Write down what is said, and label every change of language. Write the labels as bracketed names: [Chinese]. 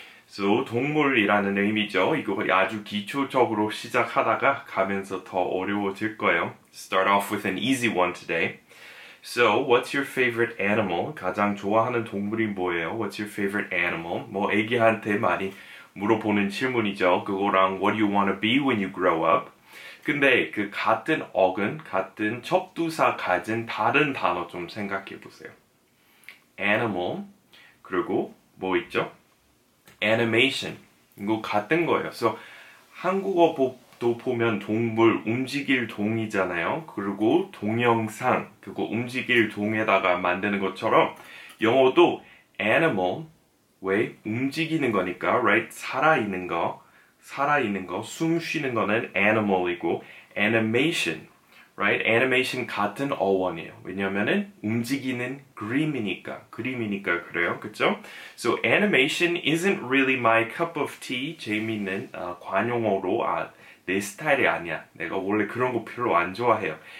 [Korean] So, 동물이라는 의미죠. 이거 아주 기초적으로 시작하다가 가면서 더 어려워질 거예요. [English] Start off with an easy one today. So, what's your favorite animal? [Korean] 가장 좋아하는 동물이 뭐예요? [English] What's your favorite animal? [Korean] 뭐, 애기한테 많이 물어보는 질문이죠. 그거랑 [English] what do you want to be when you grow up? [Korean] 근데 그 같은 어근, 같은 접두사 가진 다른 단어 좀 생각해 보세요. Animal. 그리고 뭐 있죠? animation 이거 같은 거예요. 그래서 한국어도 보면 동물 움직일 동이잖아요. 그리고 동영상 그거 움직일 동에다가 만드는 것처럼 영어도 animal 왜 움직이는 거니까 right 살아 있는 거 숨 쉬는 거는 animal이고 animation right animation 같은 어원이에요. 왜냐면은 움직이는 그림이니까 그래요. 그렇죠? [English] So animation isn't really my cup of tea. [Korean] 재미있는 관용어로 내 스타일이 아니야. 내가 원래 그런 거 별로 안 좋아해요.